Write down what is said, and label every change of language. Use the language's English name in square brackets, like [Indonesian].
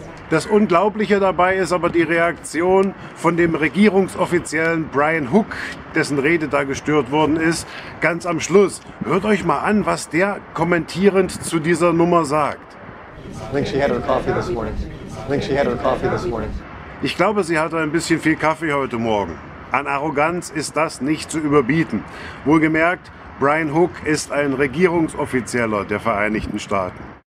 [German] Das Unglaubliche dabei ist aber die Reaktion von dem Regierungsoffiziellen Brian Hook, dessen Rede da gestört worden ist, ganz am Schluss. Hört euch mal an, was der kommentierend zu dieser Nummer sagt. [English] I think she had her coffee this morning. [German] Ich glaube, sie hatte ein bisschen viel Kaffee heute Morgen. An Arroganz ist das nicht zu überbieten. Wohlgemerkt, Brian Hook ist ein Regierungsoffizieller der Vereinigten Staaten.